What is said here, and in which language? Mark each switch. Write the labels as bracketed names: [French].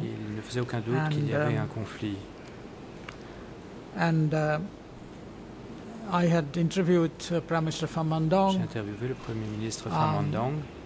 [French] Il ne faisait aucun doute qu'il y avait un conflit. [English] And I had interviewed Prime Minister Pham Van Dong. [French] J'ai interviewé le Premier ministre Pham Van Dong.